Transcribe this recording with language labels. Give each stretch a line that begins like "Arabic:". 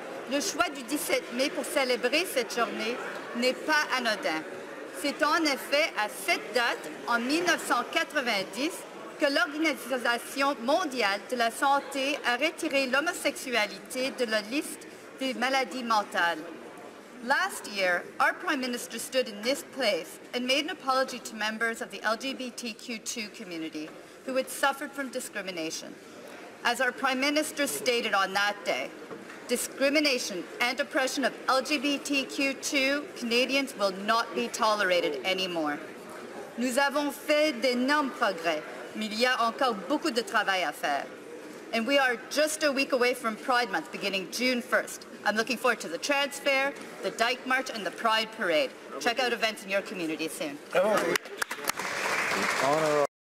French: Le choix du 17 mai pour célébrer cette journée n'est pas anodin. C'est en effet à cette date, en 1990, que l'Organisation mondiale de la santé a retiré l'homosexualité de la liste des maladies mentales.
English: Last year, our Prime Minister stood in this place and made an apology to members of the LGBTQ2 community who had suffered from discrimination. As our Prime Minister stated on that day, discrimination and oppression of LGBTQ2 Canadians will not be tolerated anymore.
French: Nous avons fait d'énormes progrès, mais il y a encore beaucoup de travail à faire.
English: And we are just a week away from Pride Month, beginning June 1st. I'm looking forward to the Trans Fair, the Dyke March, and the Pride Parade. Check out events in your community soon.